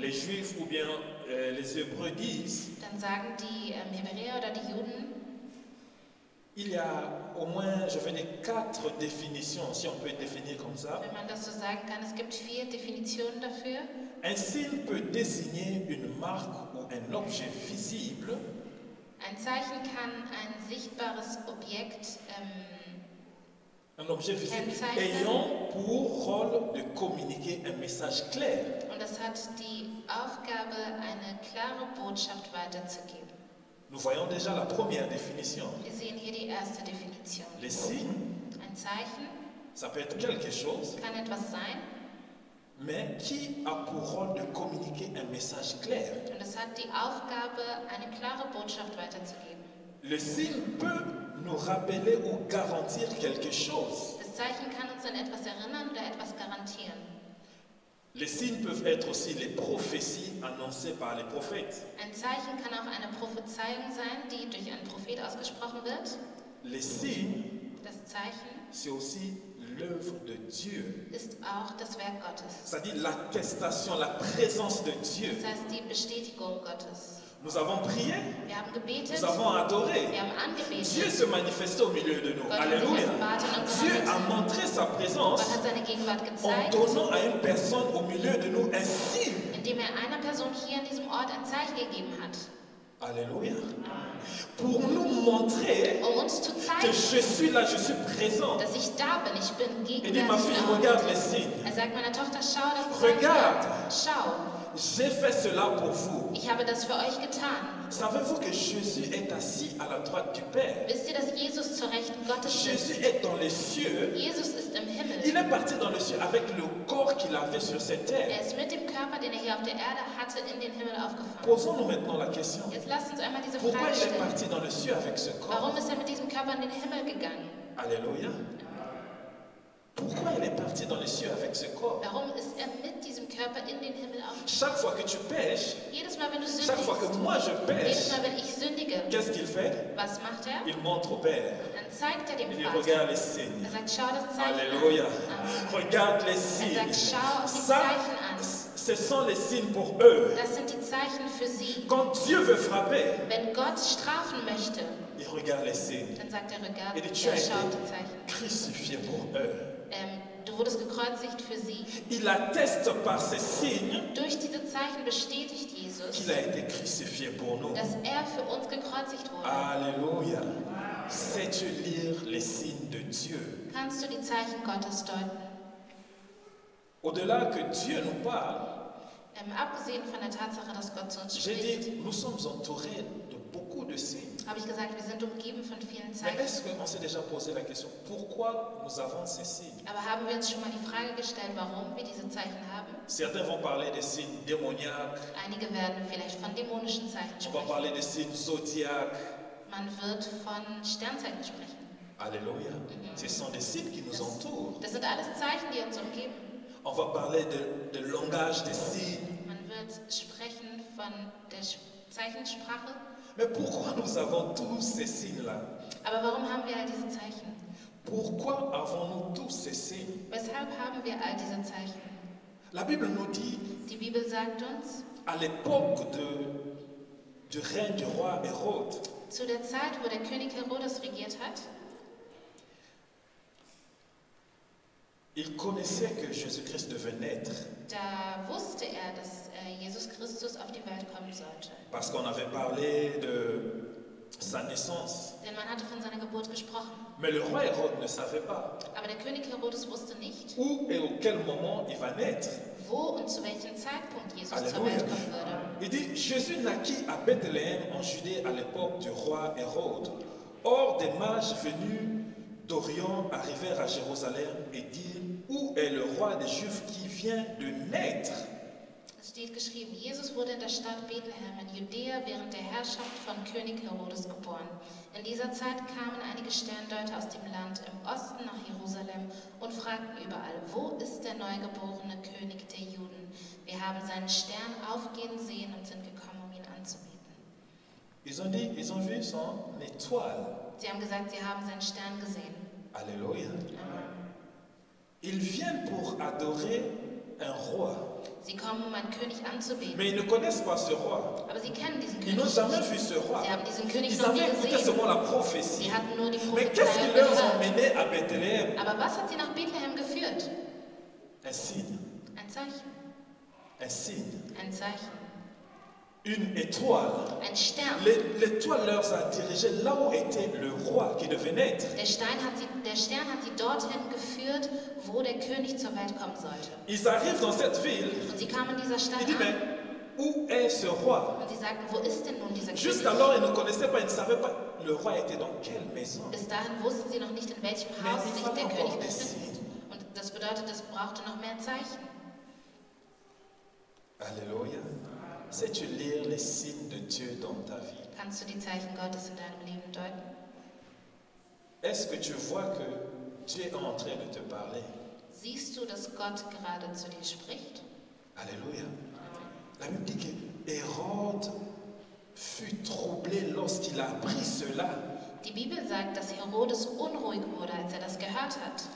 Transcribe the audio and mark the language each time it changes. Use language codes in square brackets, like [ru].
[fr] les Juifs ou bien les Hébreux disent, [de] dann sagen die Hebräer oder die Juden, [fr] il y a au moins, je vais dire, quatre définitions, si on peut définir comme ça. [de] Wenn man das so sagen kann, es gibt vier Definitionen dafür. [fr] Un signe peut désigner une marque ou un objet visible. [de] Ein Zeichen kann ein sichtbares Objekt, [fr] un objet visible ayant pour rôle de communiquer un message clair. [de] Und es hat die Aufgabe, eine klare Botschaft weiterzugeben. [fr] Nous voyons déjà la première définition. [de] Wir sehen hier die erste Definition. [fr] Les signes, [de] ein Zeichen, [fr] ça peut être quelque chose, [de] kann etwas sein, [fr] mais qui a pour rôle de communiquer un message clair. [de] Und es hat die Aufgabe, eine klare Botschaft weiterzugeben. [fr] Le signe peut nous rappeler ou garantir quelque chose. [de] Das Zeichen kann uns an etwas erinnern oder etwas garantieren. [fr] Les signes peuvent être aussi les prophéties annoncées par les prophètes. [de] Ein Zeichen kann auch eine Prophezeiung sein, die durch einen Prophet ausgesprochen wird. [fr] Les signes, [de] das Zeichen, [fr] c'est aussi l'œuvre de Dieu. [de] Ist auch das Werk Gottes. [fr] C'est-à-dire l'attestation, la présence de Dieu. [de] Das heißt die Bestätigung Gottes. [fr] Nous avons prié. [de] Wir haben gebetet. [fr] Nous avons adoré. [de] Wir haben angebetet. [fr] Dieu se manifeste au milieu de nous. Alléluia. Dieu a montré sa présence en donnant à une personne au milieu de nous un signe. [de] Indem er einer Person hier in diesem Ort ein Zeichen gegeben hat. [fr] Alléluia. Pour nous montrer que je suis là, je suis présent. [de] Dass ich da bin, ich bin gegenwärtig. [fr] Il dit, ma fille, regarde les signes. [de] Er sagt, meine Tochter, schau das Zeichen. [fr] Regarde. [de] Schau. [fr] J'ai fait cela pour vous. [de] Ich habe das für euch getan. [fr] Savez-vous que Jésus est assis à la droite du Père? [de] Wisst ihr, dass Jesus zur rechten Gottes sitzt? [fr] Jésus est dans les cieux. [de] Jesus ist im Himmel. [fr] Il est parti dans les cieux avec le corps qu'il avait sur cette terre. [de] Er ist mit dem Körper, den er hier auf der Erde hatte, in den Himmel aufgefahren. [fr] Posons-nous maintenant la question. [de] Jetzt lasst uns einmal diese Frage stellen. [fr] Pourquoi est parti dans les cieux avec ce corps? [de] Warum ist er mit diesem Körper in den Himmel gegangen? [fr] Alléluia. Pourquoi il est parti dans les cieux avec ce corps? [de] Warum ist er mit diesem Körper in den Himmel aufgestiegen? [fr] Chaque fois que tu pèches, [de] jedes Mal, wenn du sündigst, [fr] chaque fois que moi je pêche, [de] jedes Mal, wenn ich sündige, [fr] qu'est-ce qu'il fait? [de] Was macht er? [fr] Il montre au Père. [de] Dann zeigt er dem Vater. [fr] Il regarde les signes. [de] Er sagt, schau das Zeichen. [fr] Alléluia. Regarde les signes. [de] Er sagt, schau die Zeichen an. [fr] Ce sont les signes pour eux. [de] Das sind die Zeichen für sie. [fr] Quand Dieu veut frapper, [de] wenn Gott strafen möchte, [fr] il regarde les signes. [de] Dann sagt er, regarde, er schaut die Zeichen. [fr] Crucifié pour eux. [de] Du wurdest gekreuzigt für sie. [fr] Il atteste par ses signes, [de] durch diese Zeichen bestätigt Jesus, [fr] qu'il a été crucifié pour nous. [de] Dass er für uns gekreuzigt wurde. [fr] Alléluia. Sais-tu lire les signes de Dieu? [de] Kannst du die Zeichen Gottes deuten? [fr] Au-delà que Dieu nous parle, [de] abgesehen von der Tatsache, dass Gott zu uns spricht, [fr] j'ai dit, nous sommes entourés de beaucoup de signes. [de] Habe ich gesagt, wir sind umgeben von vielen Zeichen. [fr] Mais est-ce qu'on s'est déjà posé la question, pourquoi nous avons ces signes? [de] Aber haben wir uns schon mal die Frage gestellt, warum wir diese Zeichen haben? [fr] Certains vont parler des signes démoniaques. [de] Einige werden vielleicht von dämonischen Zeichen sprechen. [fr] On va parler des signes zodiaques. [de] Man wird von Sternzeichen sprechen. [fr] Alléluia. Mm-hmm. Ce sont des signes qui nous entourent. [de] Das sind alles Zeichen, die uns umgeben. [fr] On va parler de langage des signes. [de] Man wird sprechen von der Zeichensprache. [fr] Mais pourquoi nous avons tous ces signes-là? [de] Aber warum haben wir all diese Zeichen? [fr] Pourquoi avons-nous tous ces signes? [de] Weshalb haben wir all diese Zeichen? [fr] La Bible nous dit, [de] die Bibel sagt uns, [fr] à l'époque du règne du roi Hérode, [de] zu der Zeit, wo der König Herodes regiert hat, [fr] il connaissait que Jésus-Christ devait naître. [de] Da wusste er, dass Jesus Christus auf die Welt kommen sollte. [fr] Parce qu'on avait parlé de sa naissance. [de] Denn man hatte von seiner Geburt gesprochen. [fr] Mais le roi Hérode ne savait pas. [de] Aber der König Herodes wusste nicht. [fr] Où et à quel moment il va naître. [de] Wo und zu welchem Zeitpunkt Jesus zur Welt kommen würde. [fr] Il dit, Jésus naquit à Bethléem en Judée à l'époque du roi Hérode. Or des mages venus d'Orient arrivèrent à Jérusalem et dirent, où est le roi des Juifs qui vient de naître? [de] Es steht geschrieben, Jesus wurde in der Stadt Bethlehem in Judäa während der Herrschaft von König Herodes geboren. In dieser Zeit kamen einige Sterndeuter aus dem Land im Osten nach Jerusalem und fragten überall, wo ist der neugeborene König der Juden? Wir haben seinen Stern aufgehen sehen und sind gekommen, um ihn anzubeten. [fr] Ils ont dit, ils ont vu son étoile. [de] Sie haben gesagt, sie haben seinen Stern gesehen. [fr] Alléluia. Ils viennent pour adorer un roi. [de] Sie kommen, um einen König anzubeten. [fr] Mais ils ne connaissent pas ce roi. [de] Aber sie kennen diesen König. [fr] Ils n'ont jamais vu ce roi. [de] Sie haben diesen König [fr] ils [de] noch nie gesehen. Sie hatten nur die Prophezeiung gehört. [fr] Mais qu'est-ce qui leur a mené à Bethléem? [de] Aber was hat sie nach Bethlehem geführt? Ein signe. Ein Zeichen. Ein signe. Ein Zeichen. [fr] Une étoile. [de] Ein Stern. [fr] L'étoile leur a dirigé là où était le roi qui devait naître. [de] Der Stern hat sie dorthin geführt, wo der König zur Welt kommen sollte. [fr] Ils arrivent dans cette ville. [de] Und sie kamen in dieser Stadt an. [fr] Mais où est ce roi? [de] Und sie sagten, wo ist denn nun dieser König? [fr] Jusqu'alors, ils ne connaissaient pas, ils ne savaient pas le roi était dans quelle maison. [de] Bis dahin wussten sie noch nicht, in welchem Haus sich der König befindet. Und das bedeutet, es brauchte noch mehr Zeichen. [fr] Alléluia. Sais-tu lire les signes de Dieu dans ta vie? [de] Kannst du die Zeichen Gottes in deinem Leben deuten? [fr] Est-ce que tu vois que Dieu est en train de te parler? [de] Siehst du, dass Gott gerade zu dir spricht? [fr] Alléluia. La Bible dit que Hérode fut troublé lorsqu'il a appris cela. [de] Die Bibel sagt, dass Herodes unruhig wurde, als er das gehört hat.